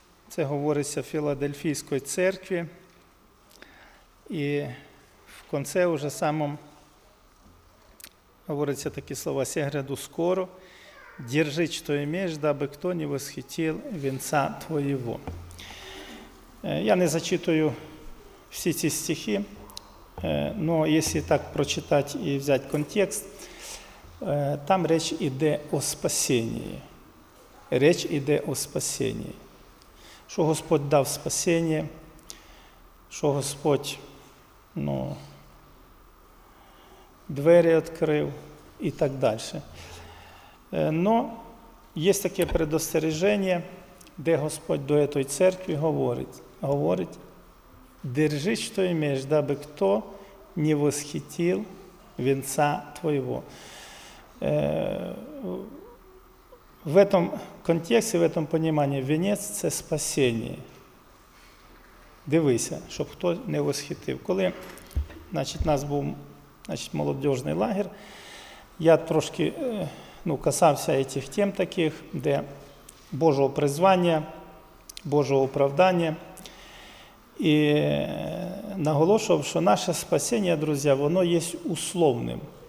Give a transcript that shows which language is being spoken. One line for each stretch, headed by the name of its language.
Ukrainian: Це говориться в Філадельфійської церкві. І в конце уже самом говориться такі слова:
Russian: «Я гряду скоро, держи, що имеш, дабы кто не восхитил венца твоего».
Ukrainian: Я не зачитую всі ці стихи,
Russian: но если так прочитать и взять контекст,
Ukrainian: там речь йде о спасении.
Russian: Речь йде о спасении.
Ukrainian: Що Господь дав спасіння, що Господь, ну, двері відкрив і так далі. Но є таке предостереження, де Господь до цієї церкви говорить:
Russian: «Держи, що имеш, дабы хто не восхитил венца твоего». В этом контексте, в этом понимании, венец –
Ukrainian: це спасіння. Дивися, щоб хто не восхитив. Коли, значить, нас був, значить, молодіжний лагер, я трошки, ну, касався цих тем таких, де Божого призвання, Божого оправдання, і наголошував, що наше спасіння, друзі, воно є условним.